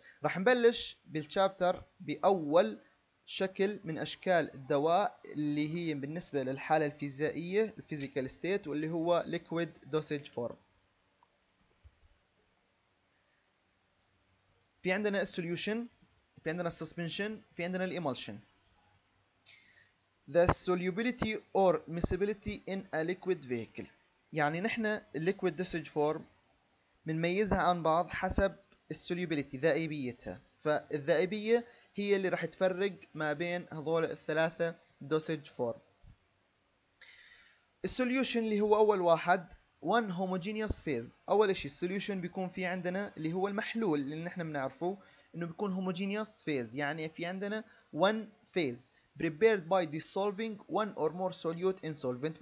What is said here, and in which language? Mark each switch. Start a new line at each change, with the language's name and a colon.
Arabic: راح نبلش بالشابتر باول شكل من اشكال الدواء اللي هي بالنسبه للحاله الفيزيائيه الفيزيكال ستيت، واللي هو ليكويد دوسج فورم. في عندنا السوليوشن، في عندنا السسبنشن، في عندنا الايمولشن.
English: The solubility or miscibility in a liquid vehicle،
Arabic: يعني نحن
English: liquid dosage form
Arabic: بنميزها عن بعض حسب السوليوبيليتي، ذائبيتها. فالذائبية هي اللي راح تفرق ما بين هذول الثلاثة dosage form. السوليوشن اللي هو أول واحد،
English: one homogeneous phase.
Arabic: أول شيء السوليوشن بيكون في عندنا اللي هو المحلول اللي نحن بنعرفه إنه بيكون homogeneous phase، يعني في عندنا
English: one phase prepared by dissolving one or more solute in solvent.